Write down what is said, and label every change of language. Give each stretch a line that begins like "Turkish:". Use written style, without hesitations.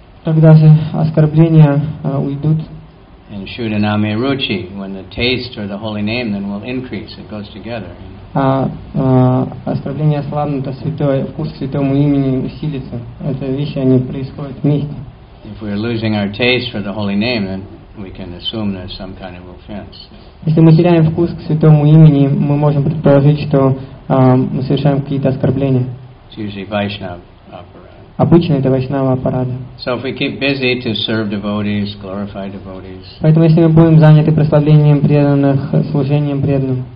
Russian: Когда же оскорбления уйдут?
English: And Shudaname Ruchi, when the taste or the holy name then will increase. It goes together.
Russian: Оскорбления ослабнут, а святой вкус святому имени усилится. Это вещи, они происходят вместе.
English: If we are losing our taste for the holy name, then we can assume there's some kind of offense.
Russian: Если мы теряем вкус к святому имени, мы можем предположить, что мы совершаем какие-то оскорбления.
English: It's usually Vaishnava aparada.
Russian: Обычно это Вайшнава аппарата.
English: So if we keep busy to serve devotees, glorify devotees.
Russian: Поэтому если мы будем заняты прославлением преданных, служением преданным,